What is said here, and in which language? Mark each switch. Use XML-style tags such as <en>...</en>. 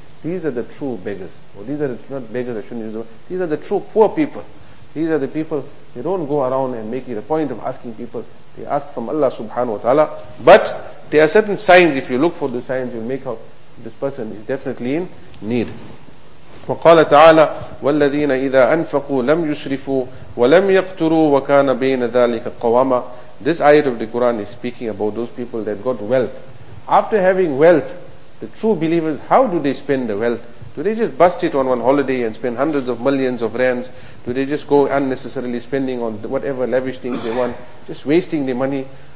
<en>These are the true beggars. Or these are the, not beggars, I shouldn't use the word. These are the true poor people. These are the people, they don't go around and make it a point of asking people. They ask from Allah subhanahu wa ta'ala. But there are certain signs, if you look for the signs, you'll make out this person is definitely in need.</en> <ar>وقال تعالى والذين إذا أنفقوا لم يسرفوا ولم يقتروا وكان بين ذلك قواما.</ar> <en>This ayat of the Quran is speaking about those people that got wealth. After having wealth, the true believers, how do they spend the wealth? Do they just bust it on one holiday and spend hundreds of millions of rands? Do they just go unnecessarily spending on whatever lavish things they want, just wasting the money?</en>